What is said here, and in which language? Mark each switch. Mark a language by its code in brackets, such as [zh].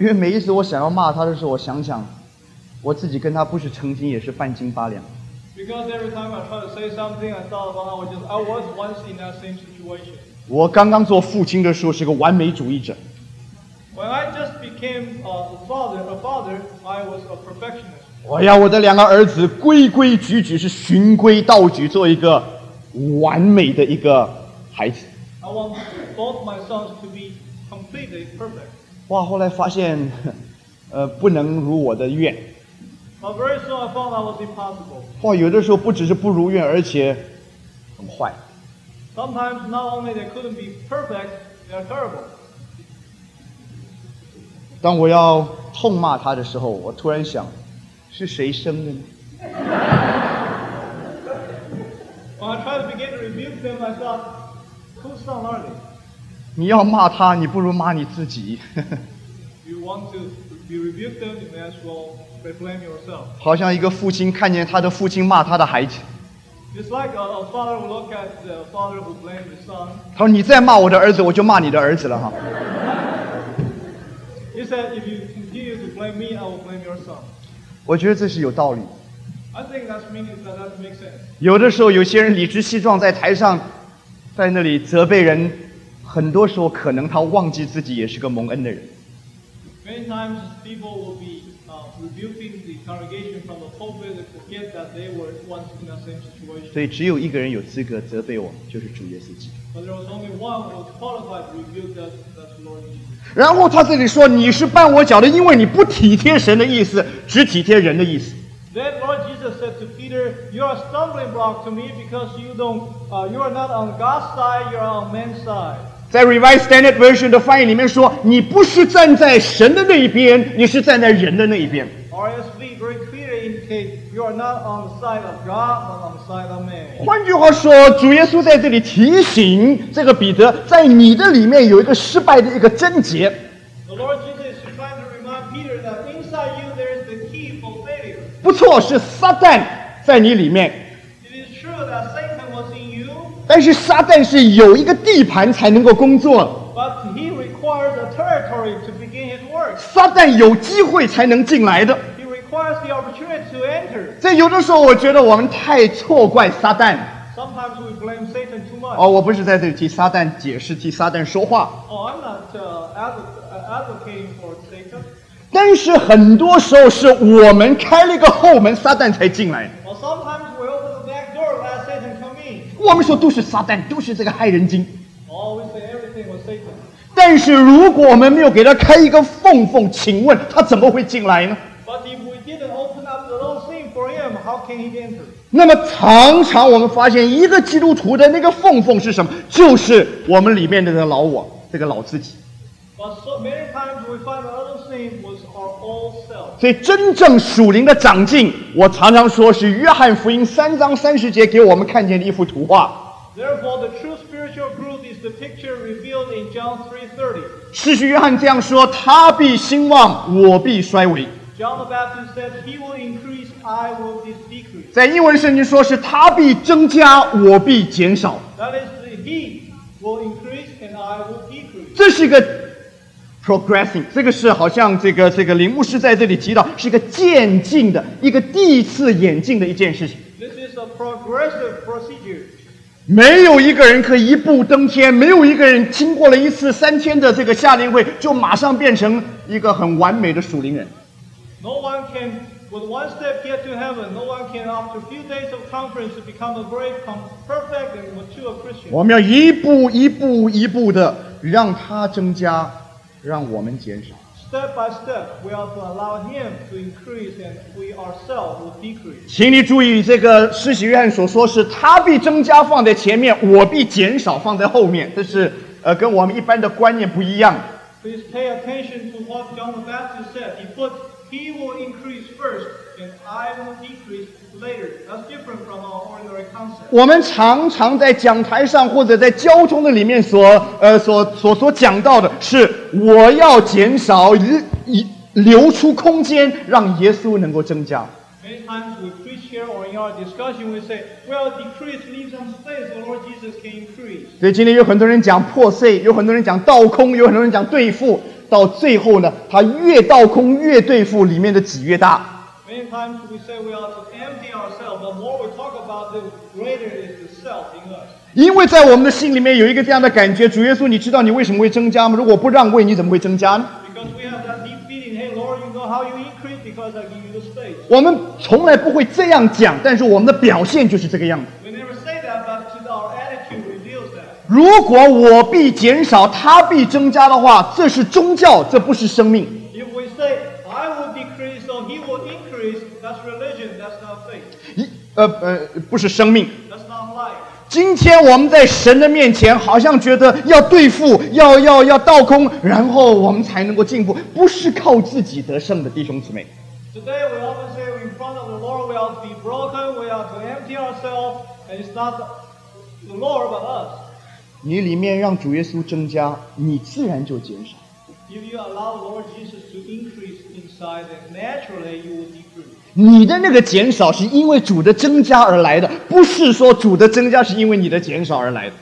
[zh] 因为每一次我想要骂他的时候，我想想我自己跟他不是曾经也是半斤八两。 [en] Because every time I try to say something, I thought about how I was once in that same situation. [zh] 我刚刚做父亲的时候是个完美主义者。 [en] When I just became a father, I was a perfectionist. [zh] 我要我的两个儿子规规矩矩，是循规蹈矩，做一个完美的一个孩子。 [en] I want both my sons to be completely perfect. [zh] 哇，后来发现，不能如我的愿。 [en] But very soon I found I was impossible. [zh] 哇，有的时候不只是不如愿，而且很坏。 [en] Sometimes not only they couldn't be perfect, they are terrible. [zh] 当我要痛骂他的时候，我突然想，是谁生的呢？ [en] When I try to begin to rebuke them, I thought, whose son are they? [zh] 你要骂他，你不如骂你自己。 [en] You want to be rebuked, you may as well blame yourself. [zh] 好像一个父亲看见他的父亲骂他的孩子。 [en] It's like a father who look at the father who blames his son. [zh] 他说：“你再骂我的儿子，我就骂你的儿子了哈。” [en] He said, "If you continue to blame me, I will blame your son." [zh] 我觉得这是有道理。 [en] I think that means that that makes sense. [zh] 有的时候有些人理直气壮在台上在那里责备人，很多时候可能他忘记自己也是个蒙恩的人。 [en] Many times people will be rebuking the congregation from the pulpit and forget that they were once in the same situation. [zh] 所以只有一个人有资格责备我，就是主耶稣基督。 [en] But there was only one who was qualified to rebuke that, that's Lord Jesus. [zh] 然后他这里说你是绊我脚的，因为你不体贴神的意思，只体贴人的意思。 [en] Then Lord Jesus said to Peter, "You are a stumbling block to me because you don't, you are not on God's side, you are on man's side." [zh] 在 Revised Standard Version 的翻译里面说，你不是站在神的那一边，你是站在人的那一边。 [en] RSV very clearly indicates you are not on the side of God, but on the side of man. [zh] 换句话说，主耶稣在这里提醒这个彼得，在你的里面有一个失败的一个症结。 [en] The Lord Jesus is trying to remind Peter that inside you there is the key for failure. [zh] 不错，是撒旦在你里面。 [en] It is true that Satan was in you. [zh] 但是撒旦是有一个地盘才能够工作。 [en] But he requires a territory to begin his work. [zh] 撒旦有机会才能进来的。 [en] He requires the opportunity to enter. [zh] 在有的时候，我觉得我们太错怪撒旦。 [en] Sometimes we blame Satan too much. [zh] 哦，我不是在这里替撒旦解释，替撒旦说话。 [en] I'm not advocating for Satan. [zh] 但是很多时候是我们开了一个后门，撒旦才进来。 [en] Sometimes we open the back door and let Satan come in. [zh] 我们说都是撒旦，都是这个害人精。 [en] Always say everything was Satan. [zh] 但是如果我们没有给他开一个缝缝，请问他怎么会进来呢？ [en] But if we didn't open up the little thing for him, how can he enter? [zh] 那么常常我们发现一个基督徒的那个缝缝是什么？就是我们里面的那个老我，这个老自己。 [en] But so many times we find the little thing was our old self. [zh] 所以真正属灵的长进，我常常说是约翰福音三章三十节给我们看见的一幅图画。 [en] Therefore, the true spiritual growth is the picture revealed in John 3:30. [zh] 使徒约翰这样说，他必兴旺，我必衰微。 [en] John the Baptist said, he will increase, I will decrease. [zh] 在英文圣经说是他必增加，我必减少。 [en] That is, he will increase and I will decrease. [zh] 这是一个 progressing, 这个是好像这个林牧师在这里提到，是一个渐进的，一个第一次演进的一件事情。 [en] This is a progressive procedure. [zh] 没有一个人可以一步登天，没有一个人经过了一次3000的这个夏令会就马上变成一个很完美的属灵人。 [en] No one can with one step get to heaven. No one can after a few days of conference to become a great, perfect and mature Christian. [zh] 我们要一步一步一步的让他增加，让我们减少。 [en] Step by step, we are to allow him to increase, and we ourselves will decrease. [zh] 请你注意，这个施洗约翰所说是他必增加放在前面，我必减少放在后面，这是跟我们一般的观念不一样。 [en] Please pay attention to what John the Baptist said. He put he will increase first, and I will decrease. That's different from our ordinary concept. [zh] 我们常常在讲台上或者在交通的里面所讲到的是我要减少留出空间让耶稣能够增加。 [en] Many times we preach here or in our discussion we say, well, decrease, leave some space, the Lord Jesus can increase. [zh] 所以今天有很多人讲破碎，有很多人讲倒空，有很多人讲对付，到最后呢，他越倒空越对付，里面的挤越大。 [en] Many times we say we are to empty ourselves, the more we talk about it, the greater is the self in us. [zh] 因为在我们的心里面有一个这样的感觉，主耶稣，你知道你为什么会增加吗？如果不让位，你怎么会增加呢？ [en] Because we have that deep feeling, hey Lord, you know how you increase because I give you the space. [zh] 我们从来不会这样讲，但是我们的表现就是这个样子。 [en] We never say that, but our attitude reveals that. [zh] 如果我必减少，他必增加的话，这是宗教，这不是生命。 [en] If we say,That's religion, that's not faith. [zh] 不是生命。 [en] That's not life. [zh] 今天我们在神的面前好像觉得要对付，要倒空，然后我们才能够进步，不是靠自己得胜的，弟兄姊妹。 [en] Today we often say in front of the Lord we are to be broken, we are to empty ourselves, and it's not the Lord but us. [zh] 你里面让主耶稣增加，你自然就减少。 [en] If you allow the Lord Jesus to increase inside, then naturally you will decrease. [zh] 你的那个减少是因为主的增加而来的，不是说主的增加是因为你的减少而来的。